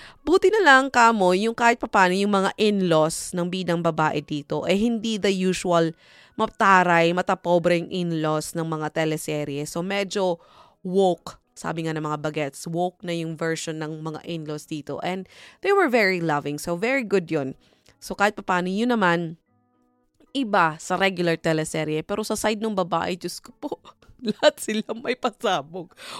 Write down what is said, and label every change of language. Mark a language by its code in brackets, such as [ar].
[tl] Buti na lang, kamo, yung kahit papano yung mga in-laws ng bidang babae dito eh hindi [en] the usual [tl] mataray, matapobreng in-laws ng mga teleserye. So medyo woke, sabi nga ng mga bagets, woke na yung version ng mga in-laws dito. [en] And they were very loving, so very good yun. [tl] So kahit papano, yun naman, iba sa regular teleserye. Pero sa side ng babae, Diyos ko po, lahat sila may pasabog.